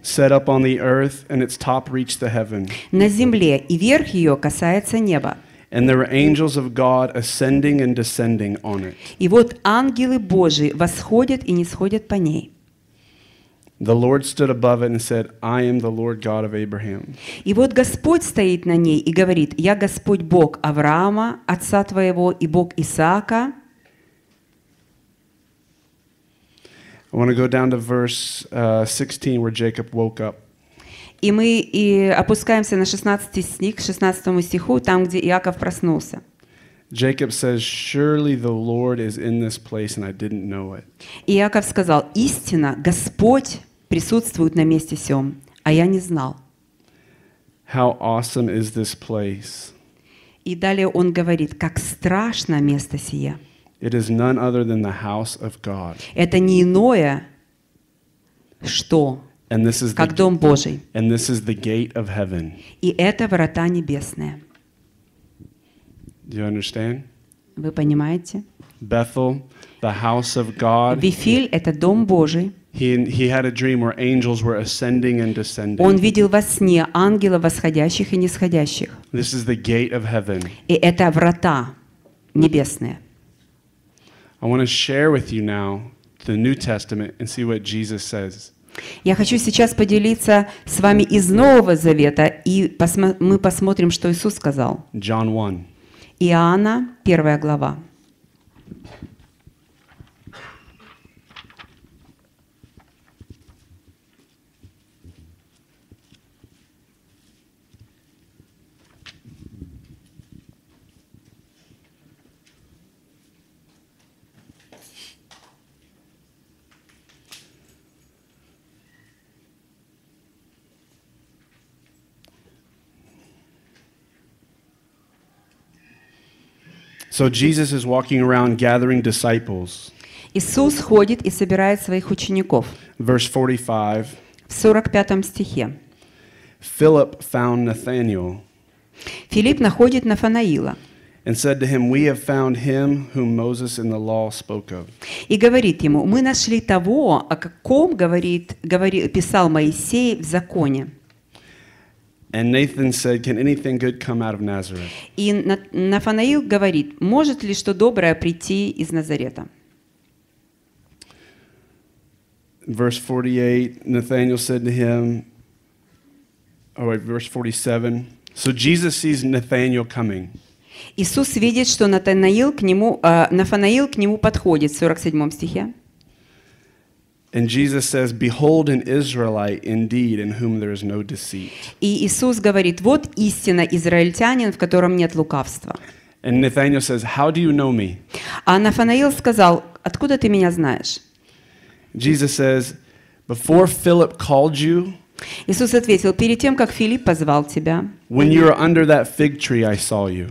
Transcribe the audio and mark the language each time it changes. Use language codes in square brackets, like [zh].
[en] Set up on the earth, and its top reached the heaven. [ru] На земле, и верх ее касается неба. [en] And there were angels of God ascending and descending on it. [ru] И вот ангелы Божии восходят и нисходят по ней. [en] The Lord stood above it and said, "I am the Lord God of Abraham." [ru] И вот Господь стоит на ней и говорит: "Я Господь Бог Авраама, отца твоего, и Бог Исаака." [en] I want to go down to verse 16 where Jacob woke up. [ru] И мы и опускаемся на 16 стих, 16 стиху, там, где Иаков проснулся. [en] Jacob says, "Surely the Lord is in this place and I didn't know it." [ru] Иаков сказал: "Истинно, Господь присутствует на месте сём, а я не знал." [en] How awesome is this place? [ru] И далее он говорит: "Как страшно место сие." [en] It is none other than the house of God. [ru] Это не иное, что как дом Божий. [en] And this is the gate of heaven. [ru] И это врата небесные. [en] Do you understand? [ru] Вы понимаете? [en] Bethel, the house of God. [ru] Вифиль — это дом Божий. [en] He had a dream where angels were ascending and descending. [ru] Он видел во сне ангелов восходящих и нисходящих. [en] This is the gate of heaven. [ru] И это врата небесные. [en] I want to share with you now the New Testament and see what Jesus says. [ru] Я хочу сейчас поделиться с вами из Нового Завета и мы посмотрим, что Иисус сказал. [en] John 1. [ru] Иоанна, 1 глава. [en] So Jesus is walking around gathering disciples. [ru] Иисус ходит и собирает своих учеников. [en] Verse 45. [ru] В 45 стихе. [en] Philip found Nathanael. [ru] Филипп находит Нафанаила. [en] And said to him, "We have found him whom Moses in the law spoke of." [ru] И говорит ему: "Мы нашли того, о каком писал Моисей в законе." [en] And Nathan said, "Can anything good come out of Nazareth?" [ru] И Нафанаил говорит, может ли что доброе прийти из Назарета? [en] Verse 48, Nathanael said to him, oh wait, verse 47. So Jesus sees Nathanael coming. [ru] Иисус видит, что Натанаил к нему, Нафанаил к нему подходит, в 47 стихе. [en] And Jesus says, "Behold, an Israelite indeed, in whom there is no deceit." [ru] И Иисус говорит: вот истинно израильтянин, в котором нет лукавства. [en] And Nathanael says, "How do you know me?" [ru] А Нафанаил сказал: откуда ты меня знаешь? [en] Jesus says, "Before Philip called you." [ru] Иисус ответил: перед тем как Филипп позвал тебя. [en] When you were under that fig tree, I saw you.